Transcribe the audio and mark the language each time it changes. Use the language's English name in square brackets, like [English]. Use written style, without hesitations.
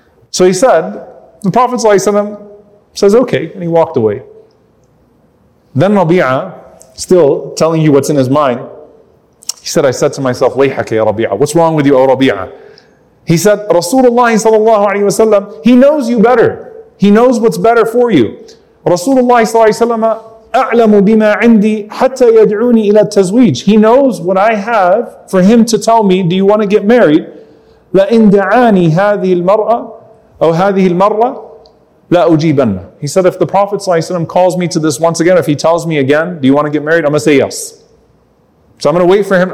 [English] So he said, the Prophet ﷺ says, okay, and he walked away. Then Rabi'ah, still telling you what's in his mind, he said, I said to myself, [Arabic] وَيْحَكَ يَا رَبِيعَةَ. [English] What's wrong with you, O Rabi'ah? He said, Rasulullah sallallahu alayhi wa sallam, he knows you better. He knows what's better for you. [Arabic] Rasulullah sallallahu alayhi wa sallam, أَعْلَمُ بِمَا عِنْدِي حَتَّى يَدْعُونِي إِلَى التَّزْوِيجِ. [English] He knows what I have for him to tell me, do you want to get married? [Arabic] لَإِنْ دَعَانِي هَذِهِ الْمَرْأَةَ أَوْ هَذِهِ الْمَرَّةَ. [English] He said, if the Prophet ﷺ calls me to this once again, if he tells me again, do you want to get married? I'm going to say yes. So I'm going to wait for him.